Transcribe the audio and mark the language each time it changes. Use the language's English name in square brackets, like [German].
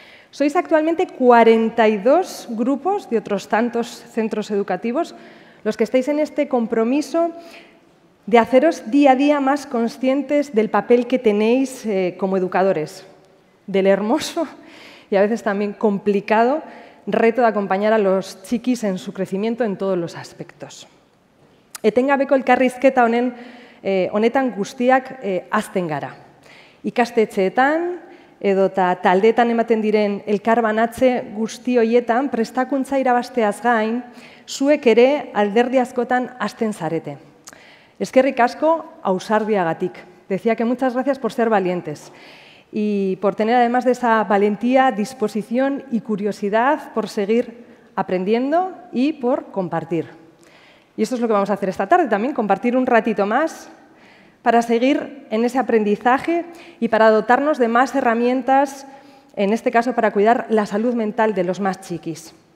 [Spanish] Sois actualmente 42 grupos de otros tantos centros educativos los que estáis en este compromiso de haceros día a día más conscientes del papel que tenéis como educadores, del hermoso y a veces también complicado reto de acompañar a los chiquis en su crecimiento en todos los aspectos. [Basque] Etengabeko elkarrizketa honen honetan guztiak azten gara. Ikastetxeetan edota taldeetan ematen diren elkarbanatze guzti hoietan prestakuntza irabasteaz gain, zuek ere alderdi askotan azten zarete. Eskerrik asko ausardiagatik. [Spanish] Decía que muchas gracias por ser valientes y por tener además de esa valentía, disposición y curiosidad por seguir aprendiendo y por compartir. Y esto es lo que vamos a hacer esta tarde también, compartir un ratito más para seguir en ese aprendizaje y para dotarnos de más herramientas, en este caso para cuidar la salud mental de los más chiquis.